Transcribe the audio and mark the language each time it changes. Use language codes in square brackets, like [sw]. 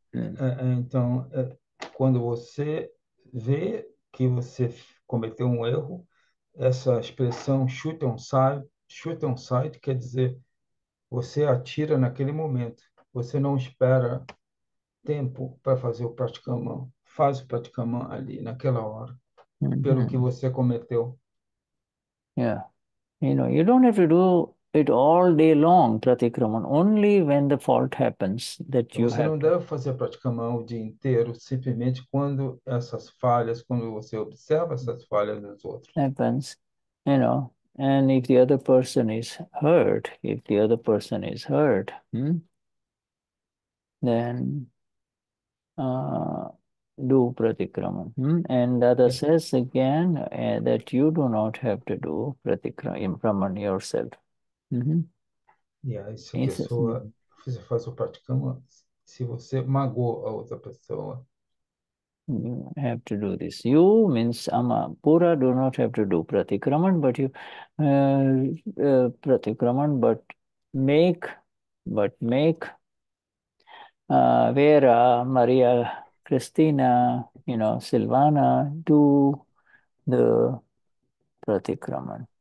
[pt] Então, quando você vê que você cometeu um erro, essa expressão [en] shoot on sight, [pt] quer dizer, você atira naquele momento. Você não espera tempo para fazer o pratikraman. Faz o pratikraman ali, naquela hora, pelo que você cometeu. [en] Yeah, you know, you don't have to do it all day long, pratikraman, only when the fault happens that you [pt] Você [en] have [pt] não [en] to. [pt] deve fazer pratikraman o dia inteiro, simplesmente quando essas falhas, quando você observa essas falhas nos outros. [en] Happens, you know, and if the other person is hurt, if the other person is hurt, then do pratikraman. And Dada says again that you do not have to do pratikraman yourself. [pt] Se a pessoa faz o praticamente, se você magoou a outra pessoa. [en] You have to do this. You means Ama Pura do not have to do pratikraman, but you pratikraman, but make Vera, Maria, Cristina, you know, Silvana, do the pratikraman.